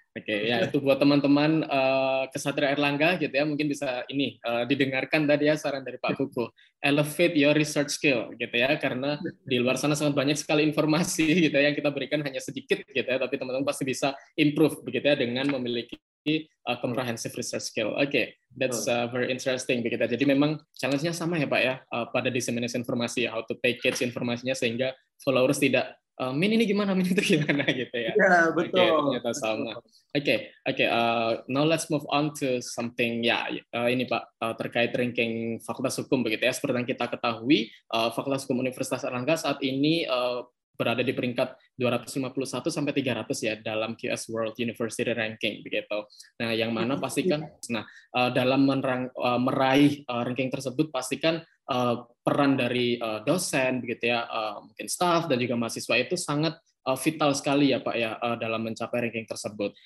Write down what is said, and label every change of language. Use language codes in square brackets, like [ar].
[id] Oke, ya itu buat teman-teman Ksatria Airlangga gitu ya, mungkin bisa ini didengarkan tadi ya saran dari Pak Kukuh, [en] elevate your research skill [id] gitu ya, karena di luar sana sangat banyak sekali informasi gitu ya, yang kita berikan hanya sedikit gitu ya, tapi teman-teman pasti bisa improve begitu ya dengan memiliki memiliki [en] comprehensive research skill. Okay, that's very interesting. [id] Begitu. Jadi memang challenge-nya sama ya Pak ya, pada disseminasi informasi, [en] how to package [id] informasinya sehingga followers tidak min ini gimana, min itu gimana gitu ya. Iya, betul. Okay, ternyata sama. Okay. [en] Now let's move on to something. [id] Ini Pak, terkait ranking Fakultas Hukum begitu ya. Seperti yang kita ketahui, Fakultas Hukum Universitas Airlangga saat ini berada di peringkat 251 sampai 300 ya dalam QS World University Ranking begitu. Nah, yang mana pastikan nah, dalam meraih ranking tersebut pastikan peran dari dosen begitu ya, mungkin staff dan juga mahasiswa itu sangat vital sekali ya Pak ya dalam mencapai ranking tersebut.